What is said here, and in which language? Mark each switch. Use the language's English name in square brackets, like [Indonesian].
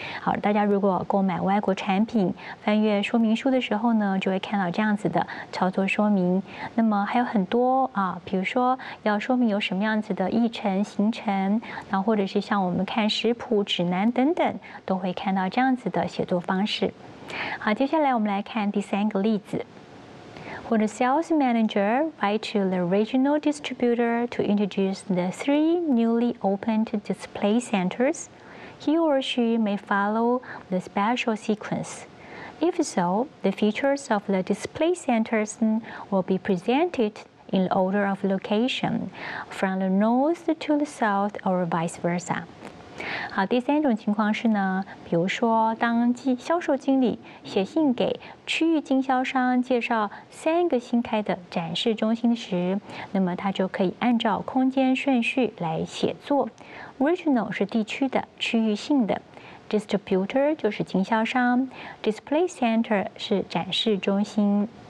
[Chinese] 好，大家如果购买外国产品，翻阅说明书的时候呢，就会看到这样子的操作说明。那么还有很多啊，比如说要说明有什么样子的议程行程，然后或者是像我们看食谱指南等等，都会看到这样子的写作方式。好，接下来我们来看第三个例子。 [English] When the sales manager writes to the regional distributor to introduce the three newly opened display centers, he or she may follow the special sequence. If so, the features of the display centers will be presented in the order of location, from the north to the south or vice versa. [Chinese] 好，第三种情况是呢，比如说当销售经理写信给区域经销商介绍三个新开的展示中心时，那么他就可以按照空间顺序来写作。 Regional 是地区的、区域性的 ，Distributor 就是经销商 ，Display Center 是展示中心。